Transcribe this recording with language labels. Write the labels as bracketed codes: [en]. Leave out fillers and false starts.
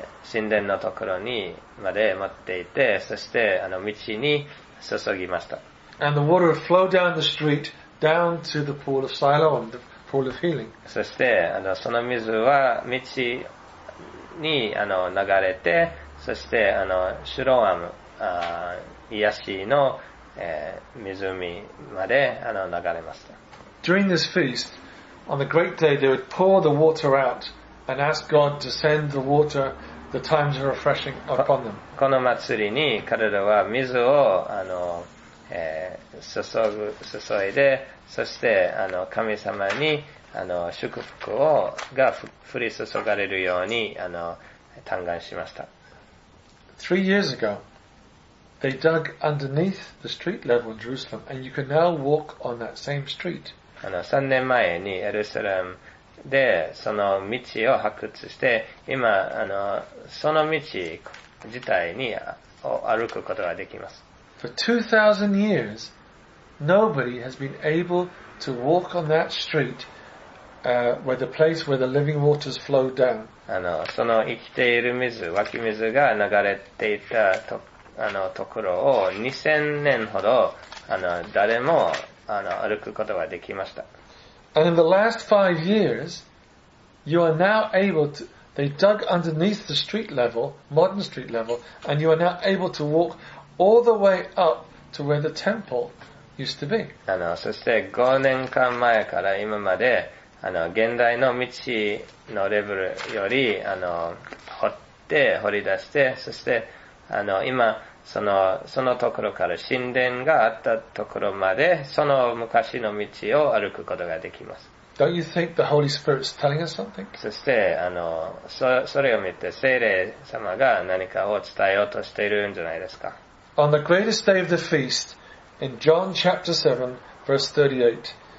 [ja] 神殿のところにまで待っていて、そしてあの道に注ぎました。 [en] And the water flowed down the street down to the pool of Siloam, the pool of healing. [ja] そしてあのその水は道にあの流れて、そしてあのシュロアム、癒しの、湖まであの流れました。 [en] During this feast, on the great day, they would pour the water out. And ask God to send the water, the times of refreshing upon them. [ja] この祭りに彼らは水をあの、注いで、そしてあの神様にあの祝福をが降り注がれるようにあの嘆願しました。 [en] Three years ago, they dug underneath the street level in Jerusalem, and you can now walk on that same street. [ja] あの3年前にエルサレムで、その道を発掘して、今、あの、その道自体に歩くことができます。 [en] For 2000 years, nobody has been able to walk on that street, where the place where the living waters flowed down. [ja] あの、その生きている水、湧き水が流れていたと、あの、ところを2000年ほど、あの、誰も、あの、歩くことができました。 [en] And in the last five years, you are now able to, they dug underneath the street level, modern street level, and you are now able to walk all the way up to where the temple used to be. [ja] あの、そして5年間前から今まで、あの、現代の道のレベルより、あの、掘って、掘り出して、そして、あの、今、そのところから神殿があったところまで、その昔の道を歩くことができます。 [en] Don't you think the Holy Spirit's telling us something? [ja] そして、あの、それを見て聖霊様が何かを伝えようとしているんじゃないですか。 [en] On the greatest day of the feast, in John chapter 7, verse 38,